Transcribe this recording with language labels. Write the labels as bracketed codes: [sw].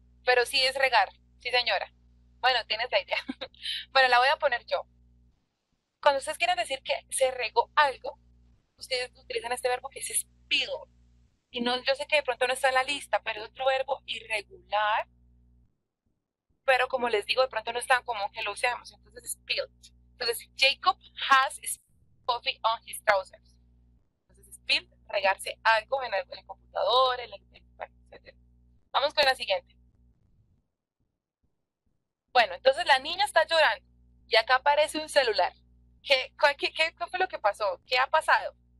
[es] Pero sí es regar, sí señora. Bueno, tienes la idea. Bueno, la voy a poner yo. Cuando ustedes quieren decir que se regó algo, ustedes utilizan este verbo que es spill. Y no, yo sé que de pronto no está en la lista, pero es otro verbo irregular. Pero como les digo, de pronto no es tan común que lo usemos. Entonces, spill. Entonces, [en] Jacob has spilled coffee on his trousers. [es] Entonces, spill. Regarse algo en el computador, en el etcétera. Vamos con la siguiente. Bueno, entonces la niña está llorando y acá aparece un celular. ¿Qué fue lo que pasó? ¿Qué ha pasado?